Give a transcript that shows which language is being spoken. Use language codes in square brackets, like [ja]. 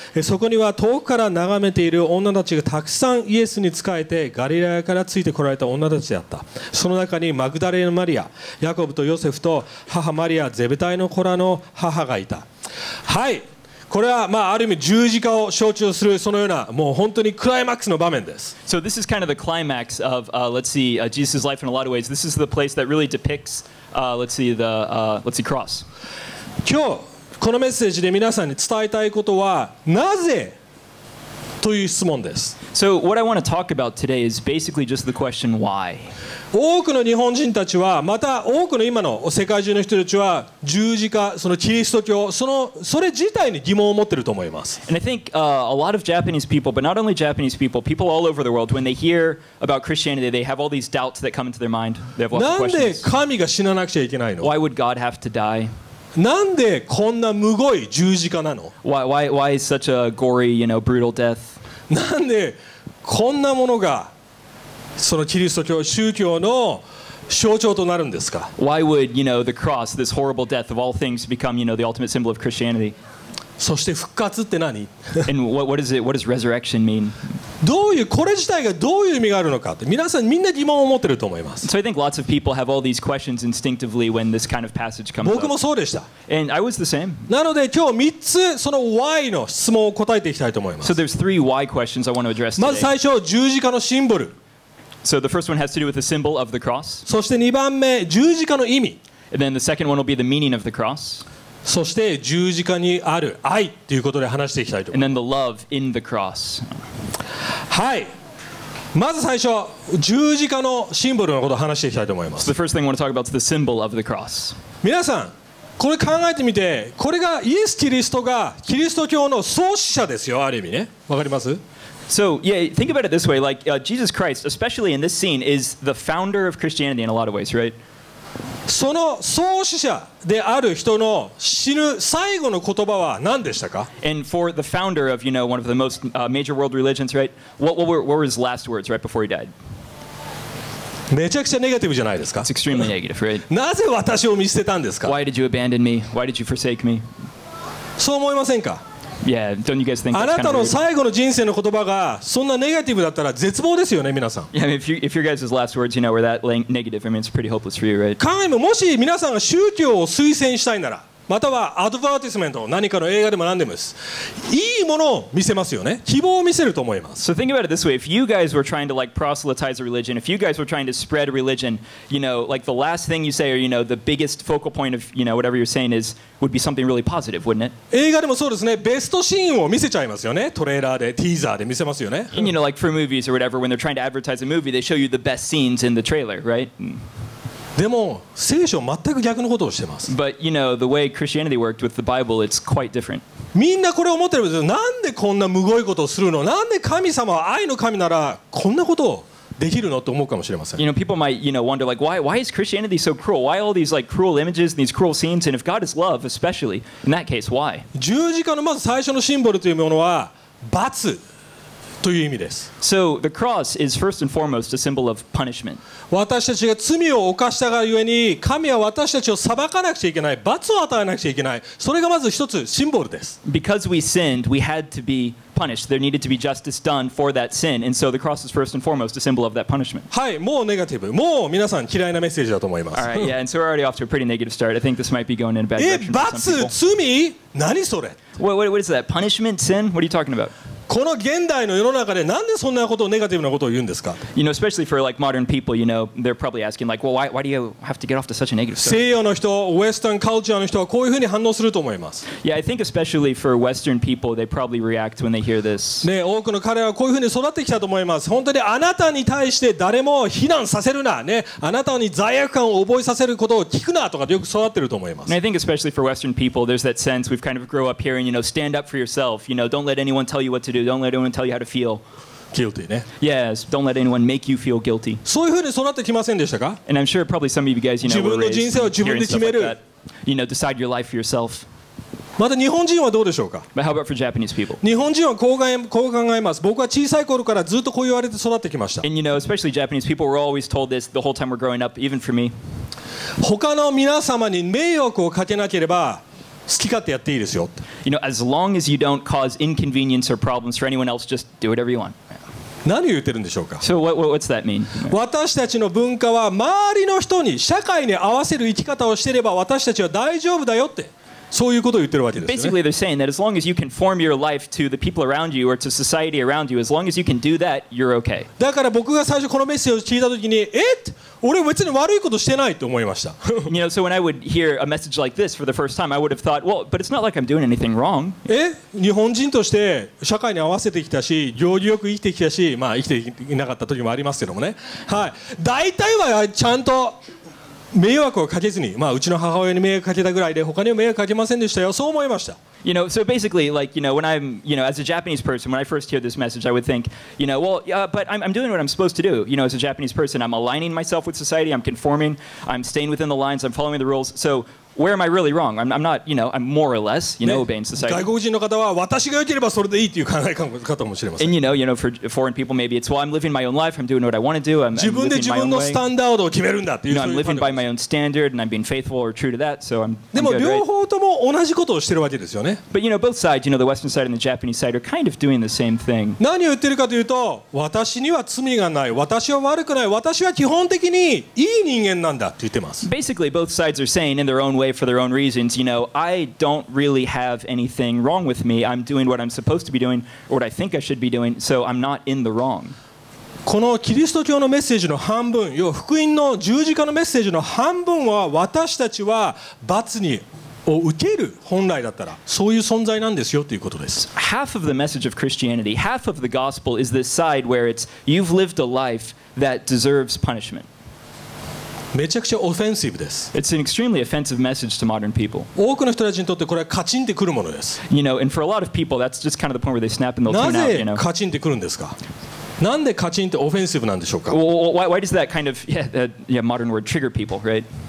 [ja] そこには遠くから眺めている女たちがたくさんイエスに仕えてガリラヤからついて来られた女たちであった。その中にマグダレーヌ・マリア、ヤコブとヨセフと母マリア、ゼベタイの子らの母がいた。はい、これはまあある意味十字架を象徴するそのようなもう本当にクライマックスの場面です。 [en] So this is kind of the climax of, let's see, Jesus' life in a lot of ways. This is the place that really depicts, let's see, the, let's see, cross. [ja] 今日このメッセージで皆さんに伝えたいことはなぜという質問です。 [en] So what I want to talk about today is basically just the question why. [ja] 多くの日本人たちはまた多くの今の世界中の人たちは十字架、そのキリスト教、それ自体に疑問を持っていると思います。 [en] And I think, a lot of Japanese people, but not only Japanese people, people all over the world, when they hear about Christianity, they have all these doubts that come into their mind. They have lots of questions. [ja] なんで神が死ななくちゃいけないの? [en] Why would God have to die? [ja] なんでこんなむごい十字架なの? [en] Why is such a gory, you know, brutal death? [ja] なんでこんなものがそのキリスト教、宗教の象徴となるんですか? [en] Why would, you know, the cross, this horrible death of all things become, you know, the ultimate symbol of Christianity? [ja] そして復活って何? [en] And what is it, what does resurrection mean? [ja] どういう、これ自体がどういう意味があるのかって皆さんみんな疑問を持ってると思います。 [en] So I think lots of people have all these questions instinctively when this kind of passage comes up. [ja] 僕もそうでした。 [en] And I was the same. [ja] なので今日3つその why の質問を答えていきたいと思います。 [en] So there's three why questions I want to address today. [ja] まず最初、十字架のシンボル。 [en] So the first one has to do with the symbol of the cross. [ja] そして2番目、十字架の意味。 [en] And then the second one will be the meaning of the cross. [ja] そして十字架にある愛ということで話していきたいと思います。 [en] And then the love in the cross. [ja] はい。まず最初、十字架のシンボルのことを話していきたいと思います。 [en] So the first thing I want to talk about is the symbol of the cross. [ja] 皆さん、これ考えてみて、これがイエス・キリストがキリスト教の創始者ですよ、ある意味ね。わかります? [en] So, yeah, think about it this way. Like, Jesus Christ, especially in this scene, is the founder of Christianity in a lot of ways, right? [ja] その創始者である人の死ぬ最後の言葉は何でしたか? [en] And for the founder of, you know, one of the most major world religions, right? What were his last words right before he died? [ja] めちゃくちゃネガティブじゃないですか? [en] It's extremely negative, right? [ja] なぜ私を見捨てたんですか? [en] Why did you abandon me? Why did you forsake me? [ja] そう思いませんか? [en] Yeah, don't you guys think [ja] あなたの最後の人生の言葉がそんなネガティブだったら絶望ですよね、皆さん。 [en] Yeah, I mean, if your guys' last words, you know, were that negative, I mean, it's pretty hopeless for you, right? [ja] 考えももし皆さんが宗教を推薦したいなら、またはアドバーティスメント、何かの映画でも何でもです。いいものを見せますよね。希望を見せると思います。 [en] So think about it this way. If you guys were trying to, like, proselytize a religion, if you guys were trying to spread a religion, you know, like, the last thing you say or, you know, the biggest focal point of, you know, whatever you're saying is, would be something really positive, wouldn't it? [ja] 映画でもそうですね。ベストシーンを見せちゃいますよね。トレーラーで、ティーザーで見せますよね。 [en] And, you know, like, for movies or whatever, when they're trying to advertise a movie, they show you the best scenes in the trailer, right? [ja] でも聖書は全く逆のことをしてます。 [en] But you know the way Christianity worked with the Bible, it's quite different. [ja] みんなこれを思ってるんですよ。なんでこんなむごいことをするの？なんで神様は愛の神ならこんなことをできるの？と思うかもしれません。 [en] You know, people might, you know, wonder like, why is Christianity so cruel? Why all these like cruel images and these cruel scenes? And if God is love, especially in that case, why? [ja] 十字架のまず最初のシンボルというものは罰という意味です。 [en] So the cross is first and foremost a symbol of punishment. [ja] 私たちが罪を犯したがゆえに神は私たちを裁かなくちゃいけない罰を与えなくちゃいけないそれがまず一つシンボルです。 [en] Because we sinned, we had to be punished. There needed to be justice done for that sin. And so the cross is first and foremost a symbol of that punishment. [ja] はい、もうネガティブ。もう皆さん嫌いなメッセージだと思います。 [en] All right, yeah, and so we're already off to a pretty negative start. I think this might be going in a bad direction for some people. [ja] 罰、罪、何それ? [en] What is that? Punishment, sin? What are you talking about? [ja] この現代の世の中でなんでそんなことをネガティブなことを言うんですか? [en] You know, especially for like modern people, you know, they're probably asking like, well, why do you have to get off to such a negative story? [ja] 西洋の人、 [en] Western culture [ja] の人はこういうふうに反応すると思います。 [en] Yeah, I think especially for Western people, they probably react when they hear this. [ja] ね、多くの彼はこういうふうに育ってきたと思います。本当にあなたに対して誰も非難させるな、ね、あなたに罪悪感を覚えさせることを聞くなとかよく育ってると思います。 [en] And I think especially for Western people, there's that sense we've kind of grow up here and, you know, stand up for yourself, you know, don't let anyone tell you what to do. Don't let anyone tell you how to feel. Guilty, ね? Yes, don't let anyone make you feel guilty. [ja] そういうふうに育ってきませんでしたか? [en] And I'm sure probably some of you guys, you know, were raised hearing stuff like that. You know, decide your life for yourself. [ja] また日本人はどうでしょうか? [en] But how about for Japanese people? [ja] 日本人はこう考えます。僕は小さい頃からずっとこう言われて育ってきました。 [en] And you know, especially Japanese people were always told this the whole time we're growing up, even for me. [ja] 他の皆様に迷惑をかけなければ好き勝手やっていいですよ。 [en] You know, as long as you don't cause inconvenience or problems for anyone else, just do whatever you want. [ja] 何を言ってるんでしょうか? [en] So what's that mean? [ja] 私たちの文化は周りの人に社会に合わせる生き方をしていれば私たちは大丈夫だよって。そういうことを言ってるわけですよね。 [en] Basically, they're saying that as long as you conform your life to the people around you or to society around you, as long as you can do that, you're okay. [ja] だから僕が最初このメッセージを聞いたときに、え？俺別に悪いことしてないと思いました。 [en] You know, so when I would hear a message like this for the first time, I would have thought, well, but it's not like I'm doing anything wrong. [ja] え？日本人として社会に合わせてきたし、行儀よく生きてきたし、まあ生きていなかった時もありますけどもね。はい。大体はちゃんと迷惑をかけずに、まあうちの母親に迷惑かけたぐらいで、他にも迷惑かけませんでしたよ。そう思いました。 [en] You know, so basically, like, you know, when I'm, you know, as a Japanese person, when I first hear this message, I would think, you know, well, yeah, but I'm doing what I'm supposed to do. You know, as a Japanese person, I'm aligning myself with society, I'm conforming, I'm staying within the lines, I'm following the rules. So where am I really wrong? I'm not, you know, I'm more or less, you know, obeying society. [ja] 外国人の方は私が良ければそれでいいという考えかもしれません。 [en] And you know, for foreign people, maybe it's, well, I'm living my own life, I'm doing what I want to do, I'm living my own way. [ja] 自分で自分のスタンダードを決めるんだっていう。 [en] You know, I'm living by my own standard, and I'm being faithful or true to that, so I'm good, right? [ja] でも両方とも同じことをしてるわけですよね。 [en] But you know, both sides, you know, the Western side and the Japanese side are kind of doing the same thing. [ja] 何を言ってるかというと、私には罪がない、私は悪くない、私は基本的にいい人間なんだって言ってます。 [en] Basically, both sides are saying in their own way for their own reasons, you know, I don't really have anything wrong with me. I'm doing what I'm supposed to be doing or what I think I should be doing, so I'm not in the wrong. [ja] このキリスト教のメッセージの半分、要は福音の十字架のメッセージの半分は私たちは罰にを受ける本来だったらそういう存在なんですよということです。 [en] Half of the message of Christianity, half of the gospel is this side where it's you've lived a life that deserves punishment. [ja] めちゃくちゃオフェンシブです。 [en] It's an extremely offensive message to modern people. [ja] 多くの人たちにとってこれはカチンってくるものです。 [en] You know, and for a lot of people, that's just kind of the point where they snap and they'll tune out, you know. [ja] なぜカチンってくるんですか？なんでカチンってオフェンシブなんでしょうか？ [en] Why does that kind of modern word trigger people, right?